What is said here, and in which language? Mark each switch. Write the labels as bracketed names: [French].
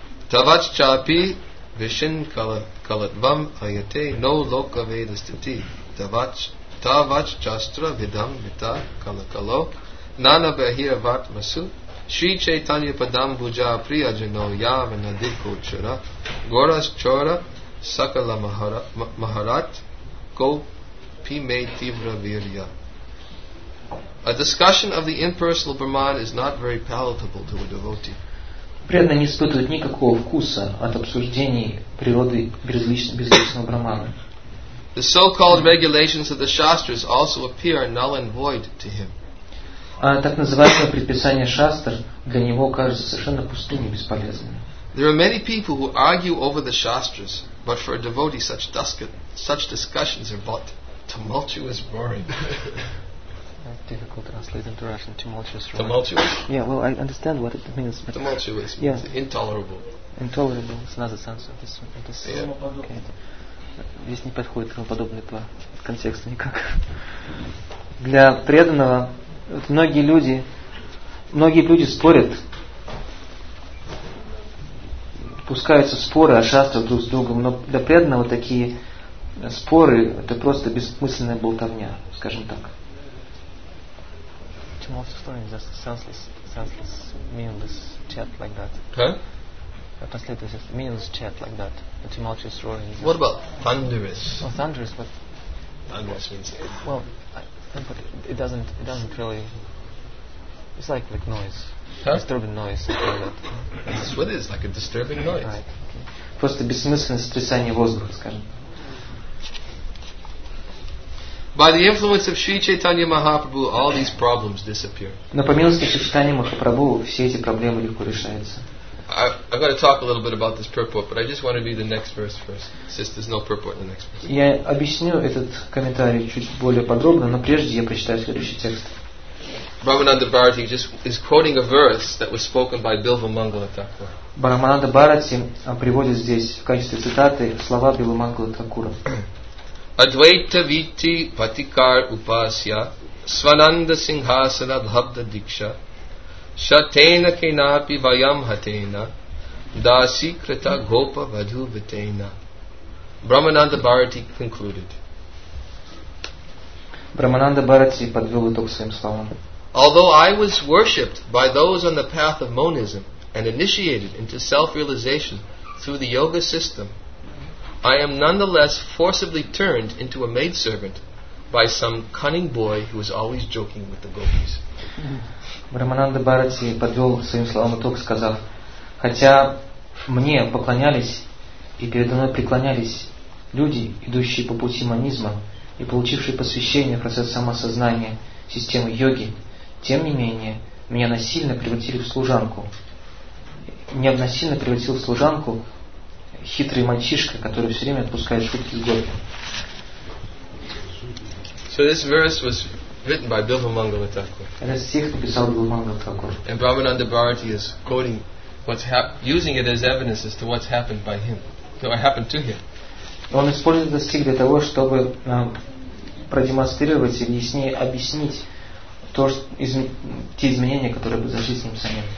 [Sanskrit] Тавад Чапи Вишин Калатвам Айате Но Лока Веда Стити Тавач Тавач Частра Видам Вита Калакало Нана Бахира Варт Масу Шри Чайтанья Падам Буджа Прия Джино Яв Надико Чара Горас Чора Сакала Махарат Ко Пиме Тивра Вирья. [English] A discussion of the impersonal Brahman is not very palatable to a devotee. [Russian] Преданный не испытывает никакого вкуса от обсуждений природы безличного Брахмана. [English] The so-called regulations of the Shastras also appear null and void to him. [Russian] А так называемые предписания шастр для него кажутся совершенно пустыми и бесполезными. [English] There are many people who argue over the Shastras, but for a devotee such discussions are but tumultuous boring. Difficult to translate into Russian. Tumultuous. Right? Tumultuous. Yeah, well, I understand what it means. But tumultuous. Yeah. Means intolerable. Intolerable. It's another sense of this. This. Yeah. [Russian] Здесь не подходит подобный по контексту никак. Для преданного многие люди спорят, пускаются споры о шастрах друг с другом, но для преданного такие споры это просто бессмысленная болтовня, скажем так. [English] Most of the just senseless, meaningless chat like that. Huh? I translate this as meaningless chat like that. The tumultuous roaring. What about thunderous? Well, thunderous, but thunderous means it. Well, it doesn't really. It's like noise. Huh? Disturbing noise. Like that. That's what it is, like a disturbing noise. Right. Okay. [Russian] Просто бессмысленное сотрясание воздуха, скажем. [English] By the influence of Sri Chaitanya Mahaprabhu, all these problems disappear. [Russian] Но по милости Шри Чайтаньи Махапрабху все эти проблемы легко решаются. [English] I've got to talk a little bit about this purport, but I just want to read the next verse first, since there's no purport in the next verse. [Russian] Я объясню этот комментарий чуть более подробно, но прежде я прочитаю следующий текст. [English] Brahmananda Bharati just is quoting a verse that was spoken by Bilva Mangala Thakura. [Russian] Brahmananda Bharati приводит здесь в качестве цитаты слова Билвы Мангалы Такура. [Sanskrit] Advaita Viti Patikar Upasya Svananda Singhasana Bhavda Diksha Shatena Kenapi Vayam Hatena Dasi Krita Gopa Vadhu Vitena. [English] Brahmananda Bharati concluded. [Russian] Brahmananda Bharati подвел итог своим словам. [English] Although I was worshipped by those on the path of monism and initiated into self-realization through the yoga system, I am nonetheless forcibly turned into a maidservant by some cunning boy who was always joking with the gopis. [Russian] Брамананда Бхарати подвел своим словам итог, сказав: хотя мне поклонялись и передо мной преклонялись люди, идущие по пути монизма и получившие посвящение в процесс самосознания системы йоги, тем не менее меня насильно превратили в служанку. Меня насильно превратил в служанку хитрый мальчишка, который все время отпускает шутки с гопи. [English] So this verse was written by Bilva Mangala Thakur. [Russian] Этот стих написал Билва Мангала Такур. [English] And Brahmananda Bharati is quoting what's using it as evidence as to what's happened by him. Happened to him. [Russian] Он использует этот стих для того, чтобы продемонстрировать и яснее объяснить то, что, те изменения, которые произошли с ним самим.